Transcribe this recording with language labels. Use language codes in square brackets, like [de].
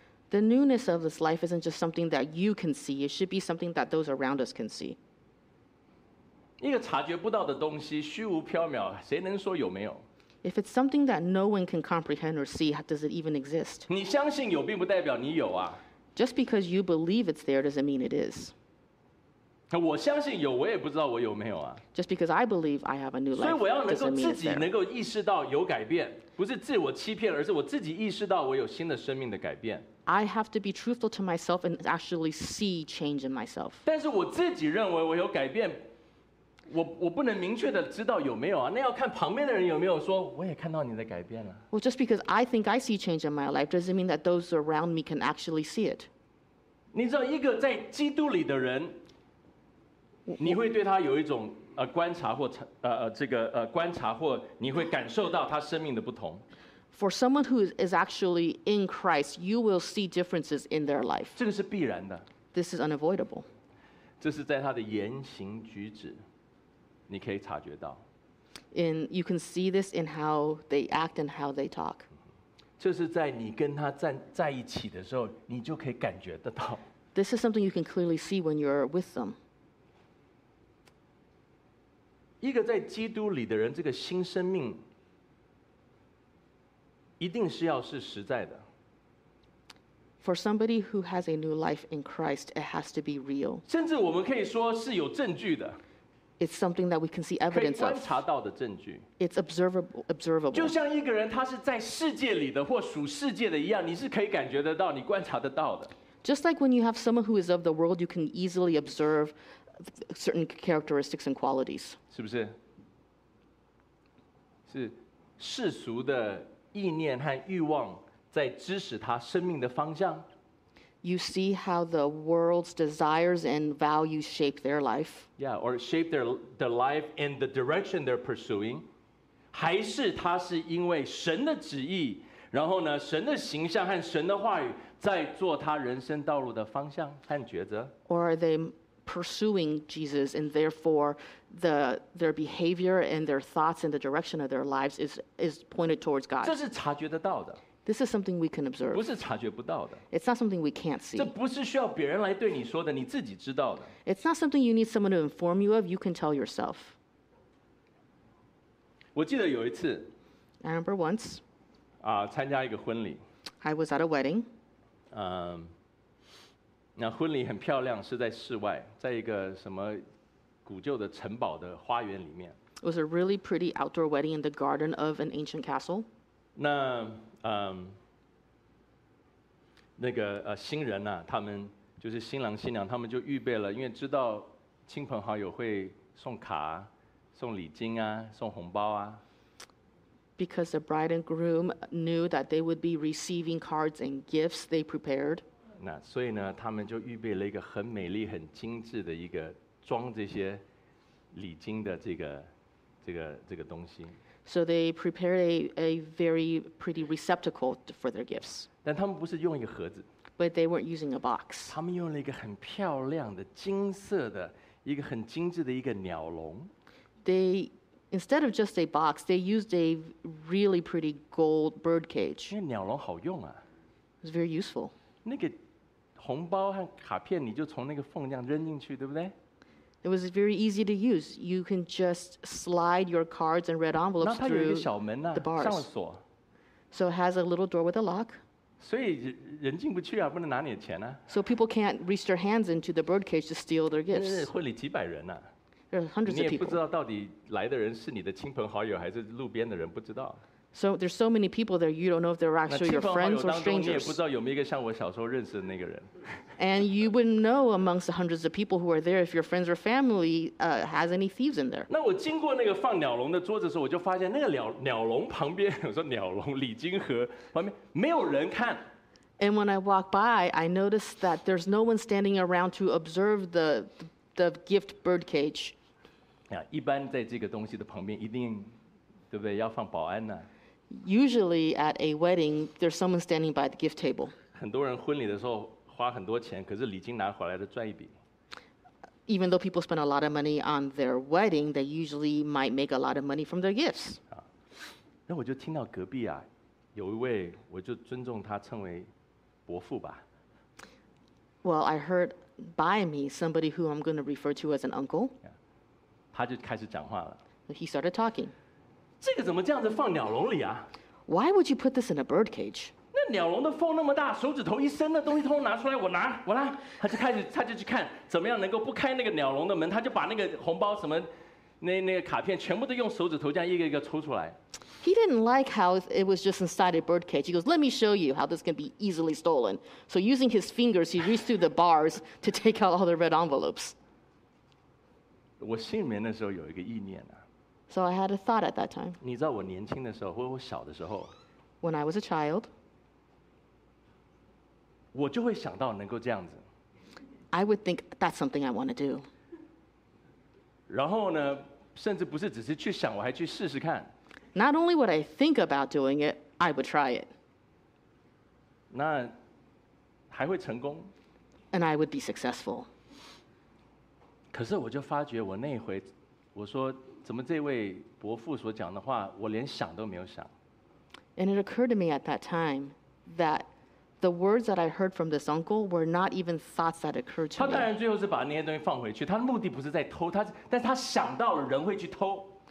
[en] The newness of this life isn't just something that you can see; it should be something that those around us can see. [zh] 一个察觉不到的东西，虚无缥缈，谁能说有没有？ [en] If it's something that no one can comprehend or see, does it even exist? [zh] 你相信有并不代表你有啊。 [en] Just because you believe it's there doesn't mean it is. [zh] 我相信有，我也不知道我有没有啊。 [en] Just because I believe I have a new life, [zh] 所以我要能够自己能够意识到有改变，不是自我欺骗，而是我自己意识到我有新的生命的改变。 [en] I have to be truthful to myself and actually see change in myself. [zh] 但是我自己认为我有改变。我不能明确的知道有没有啊，那要看旁边的人有没有说我也看到你的改变了。 [en] Well, just because I think I see change in my life doesn't mean that those around me can actually see it. [zh] 你知道一个在基督里的人，你会对他有一种观察或观察或你会感受到他生命的不同。 [en] For someone who is actually in Christ, you will see differences in their life. [zh] 这个是必然的。 [en] This is unavoidable. [zh] 这是在他的言行举止。你可以察觉到 [en] ，and you can see this in how they act and how they talk. [zh] 这是在你跟他在一起的时候，你就可以感觉得到。 [en] This is something you can clearly see when you're with them. [zh] 一个在基督里的人，这个新生命一定是要是实在的。 [en] For somebody who has a new life in Christ, it has to be real. [zh] 甚至我们可以说是有证据的。 [en] It's something that we can see evidence of. [zh] 可以观察到的证据。 [en] It's observable. [zh] 就像一个人他是在世界里的或属世界的一样，你是可以感觉得到，你观察得到的。 [en] Just like when you have someone who is of the world, you can easily observe certain characteristics and qualities. [zh] 是不是？是世俗的意念和欲望在指使他生命的方向。 [en] You see how the world's desires and values shape their life. Yeah, or shape their life and the direction they're pursuing. [zh] 还是他是因为神的旨意，然后呢，神的形象和神的话语在做他人生道路的方向和抉择。 [en] Or are they pursuing Jesus and therefore their behavior and their thoughts and the direction of their lives is pointed towards God? [zh] 这是察觉得到的。 [en] This is something we can observe. [zh] 不是察觉不到的。 [en] It's not something we can't see. [zh] 这不是需要别人来对你说的，你自己知道的。 [en] It's not something you need someone to inform you of. You can tell yourself. [zh] 我记得有一次 [en] ，I remember once. [zh] 啊，参加一个婚礼。 [en] I was at a wedding. [zh] 那婚礼很漂亮，是在室外，在一个什么古旧的城堡的花园里面。 [en] It was a really pretty outdoor wedding in the garden of an ancient castle. [zh] 那那个新人呐、啊，他们就是新郎新娘，他们就预备了，因为知道亲朋好友会送卡、啊、送礼金啊、送红包啊。 [en] Because the bride and groom knew that they would be receiving cards and gifts, they prepared. [zh] 那所以呢，他们就预备了一个很美丽、很精致的一个装这些礼金的这个东西。 [en] So they prepared a very pretty receptacle for their gifts. [zh] 但他们不是用一个盒子。 [en] But they weren't using a box. [zh] 他们用了一个很漂亮的金色的一个很精致的一个鸟笼。 [en] They instead of just a box, they used a really pretty gold bird cage. [zh] 因为鸟笼好用啊。 [en] It's very useful. [zh] 那个红包和卡片你就从那个缝这样扔进去，对不对？ [en] It was very easy to use. You can just slide your cards and red envelopes through the bars. [zh] 上了锁。 [en] So it has a little door with a lock. [zh] 所以人进不去啊，不能拿你的钱啊。 [en] So people can't reach their hands into the birdcage to steal their gifts. [zh] 会里几百人啊。 [en] There are hundreds of people. [zh] 你也不知道到底来的人是你的亲朋好友还是路边的人，不知道。 [en] So there's so many people there, you don't know if they're actually your friends or strangers. [zh] 你也不知道有没有一个像我小时候认识的那个人。 [en] And you wouldn't know amongst the hundreds of people who are there if your friends or family has any thieves in there. [zh] 那我经过那个放鸟笼的桌子的时候，我就发现那个鸟笼旁边，我说鸟笼礼金盒旁边没有人看。 [en] And when I walked by, I noticed that there's no one standing around to observe the gift birdcage. [zh] 呀，一般在这个东西的旁边一定，对不对？要放保安呢。 [en] Usually at a wedding, there's someone standing by the gift table. [zh] 很多人婚礼的时候花很多钱，可是礼金拿回来的赚一笔。 [en] Even though people spend a lot of money on their wedding, they usually might make a lot of money from their gifts. [zh] 那我就听到隔壁啊，有一位，我就尊重他称为伯父吧。 [en] Well, I heard by me somebody who I'm going to refer to as an uncle. [zh] 他就开始讲话了。 [en] He started talking. [zh] 这个怎么这样子放鸟笼里啊 [en] ？Why would you put this in a bird cage？ [zh] 那鸟笼的缝那么大，手指头一伸，那东西通通拿出来，我拿。他就去看怎么样能够不开那个鸟笼的门，他就把那个红包什么，那个卡片全部都用手指头这样一个抽出来。 [en] He didn't like how it was just inside a bird cage. He goes, "Let me show you how this can be easily stolen." So using his fingers, he reached through the bars to take out all the red envelopes. [zh] 我心里面那时候有一个意念啊。 [en] So I had a thought at that time. [zh] 你知道我年轻的时候，或者我小的时候 [en] ，When I was a child， [zh] 我就会想到能够这样子。 [en] I would think that's something I want to do. [zh] 然后呢，甚至不是只是去想，我还去试试看。 [en] Not only would I think about doing it, I would try it. [zh] 那还会成功。 [en] And I would be successful. [zh] 可是我就发觉，我那回我说。怎么这位伯父所讲的话，我连想都没有想。 [en] And it occurred to me at that time that the words that I heard from this uncle were not even thoughts that occurred to me. [zh] 他当然最后是把那些东西放回去，他的目的不是在偷，但是他想到了人会去偷。